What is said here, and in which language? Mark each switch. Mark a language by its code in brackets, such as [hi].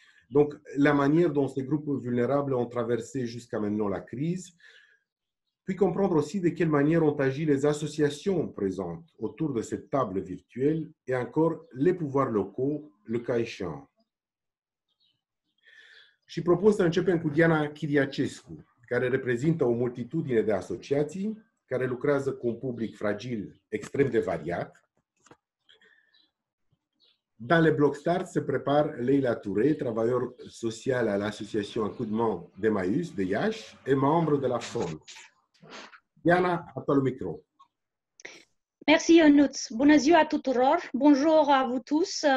[fr] Donc, la manière dont ces groupes vulnérables ont traversé jusqu'à maintenant la crise, puis comprendre aussi de quelle manière ont agi les associations présentes autour de cette table virtuelle et encore les pouvoirs locaux, le cas échéant. [ro] Și propun să începem cu Diana Chiriacescu, care reprezintă o multitudine de asociații care lucrează cu un public fragil extrem de variat. [fr] Dans le bloc start se prépare Leila Touré, travailleur social à l'association Accoudement d'Emmaüs de Iași et membre de la FOL. Diana, à toi le micro. Merci Onut. [ro] Bună ziua tuturor. [fr] Bonjour à vous tous.